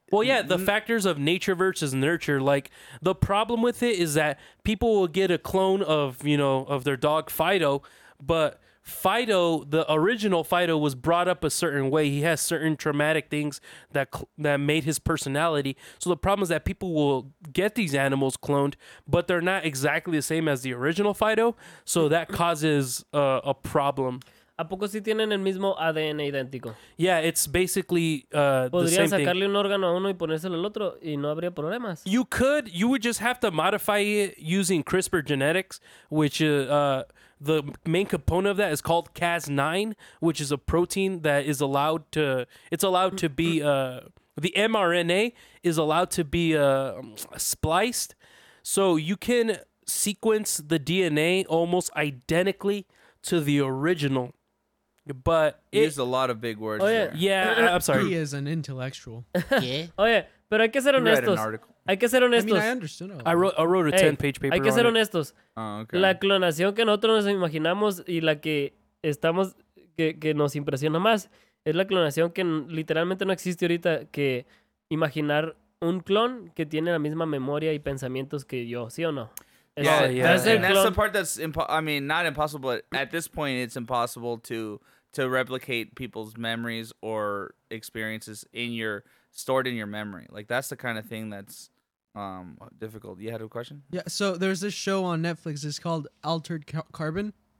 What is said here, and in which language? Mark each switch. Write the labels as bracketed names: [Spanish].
[English] Well, yeah, the factors of nature versus nurture. Like, the problem with it is that people will get a clone of, you know, of their dog Fido, but Fido, the original Fido, was brought up a certain way. He has certain traumatic things that made his personality. So the problem is that people will get these animals cloned, but they're not exactly the same as the original Fido. So that causes a problem. [Spanish] ¿A poco si tienen el mismo ADN idéntico? [English] Yeah, it's basically the same thing. [Spanish] ¿Podría sacarle un órgano a uno y ponérselo al otro y no habría problemas? [English] You could. You would just have to modify it using CRISPR genetics, which... the main component of that is called Cas9, which is a protein that is allowed to, it's allowed to be, the mRNA is allowed to be spliced. So you can sequence the DNA almost identically to the original. But it's a lot of big words. Oh, yeah. There. Yeah, I'm sorry. He is an intellectual. [Spanish] Yeah. Oh, yeah. Pero hay que ser honestos. Hay que ser honestos. [English] I mean, I understood. I wrote a 10-page paper. [Spanish] Hay que ser honestos. [English] Oh, okay. [Spanish] La clonación que nosotros nos imaginamos y la que estamos que nos impresiona más es la clonación que literalmente no existe ahorita, que imaginar un clon que tiene la misma memoria y pensamientos que yo, ¿sí o no? [English] Yeah, yeah. And that's the part that's not impossible, but at this point it's impossible to replicate people's memories or experiences in your stored in your memory. Like, that's the kind of thing that's difficult. You had a question? Yeah, so there's this show on Netflix. It's called Altered Carbon.